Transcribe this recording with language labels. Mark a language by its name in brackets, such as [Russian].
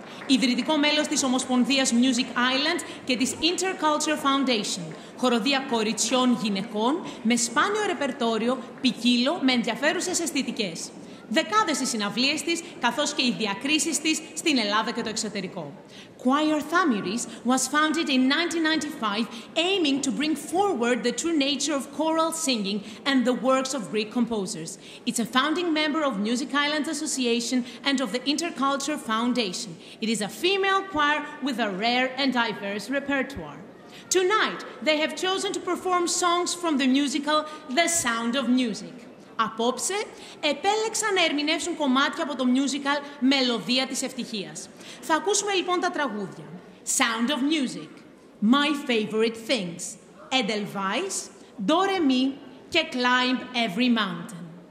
[Greek] Ιδρυτικό μέλος της Ομοσπονδίας Music Island και της Interculture Foundation, χοροδία κοριτσιών γυναικών με σπάνιο ρεπερτόριο, ποικίλο με ενδιαφέρουσες αισθητικές. Δεκάδες οι συναυλίες της, καθώς και οι διακρίσεις της στην Ελλάδα και το εξωτερικό. [English] Choir Thamiris was founded in 1995, aiming to bring forward the true nature of choral singing and the works of Greek composers. It's a founding member of Music Islands Association and of the Interculture Foundation. It is a female choir with a rare and diverse repertoire. Tonight, they have chosen to perform songs from the musical The Sound of Music. [Greek] Απόψε, επέλεξαν να ερμηνεύσουν κομμάτια από το musical «Μελωδία της Ευτυχίας». Θα ακούσουμε λοιπόν τα τραγούδια. «Sound of Music», «My Favorite Things», «Edelweiss», «Doremi» και «Climb Every Mountain».